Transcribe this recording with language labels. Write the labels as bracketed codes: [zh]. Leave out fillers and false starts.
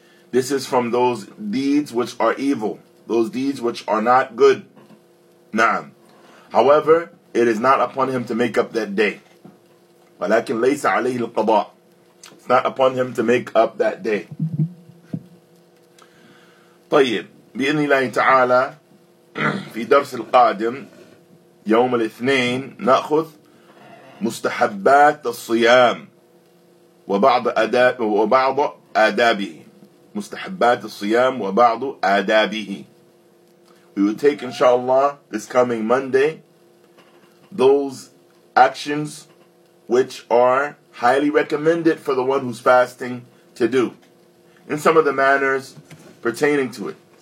[en] This is from those deeds which are evil, those deeds which are not good. Naam. However, it is not upon him to make up that day. [ar] ولكن ليس عليه القضاء. [en] It's not upon him to make up that day. [ar] طيب. بإذن الله تعالى في درس القادم يوم الاثنين نأخذ مستحبات الصيام وبعض آدابه. مستحبات الصيام وبعض آدابه. [en] We will take, inshallah, this coming Monday, those actions which are highly recommended for the one who's fasting to do. And some of the manners pertaining to it.